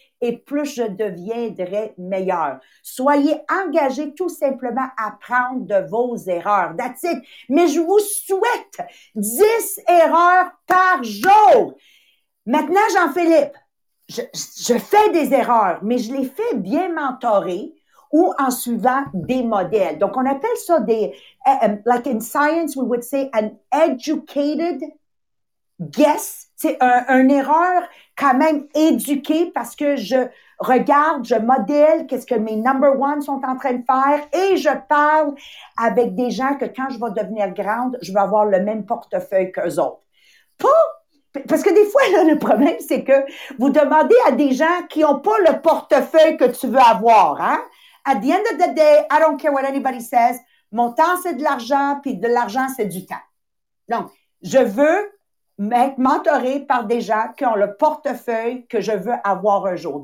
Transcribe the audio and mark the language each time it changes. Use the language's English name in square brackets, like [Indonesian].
[French] et plus je deviendrai meilleur. Soyez engagés tout simplement à apprendre de vos erreurs. [English] That's it. [French] Mais je vous souhaite 10 erreurs par jour. Maintenant, Jean-Philippe, je fais des erreurs, mais je les fais bien mentorées ou en suivant des modèles. Donc, on appelle ça des, [English] like in science, we would say an educated guess. [French] C'est une erreur quand même éduquée parce que je regarde, je modèle qu'est-ce que mes [English] number one [French] sont en train de faire et je parle avec des gens que quand je vais devenir grande, je vais avoir le même portefeuille qu'eux autres. Pas parce que des fois, là, le problème, c'est que vous demandez à des gens qui n'ont pas le portefeuille que tu veux avoir, hein? [English] At the end of the day, I don't care what anybody says. [French] Mon temps, c'est de l'argent, puis de l'argent, c'est du temps. Donc, je veux être mentorée par des gens qui ont le portefeuille que je veux avoir un jour.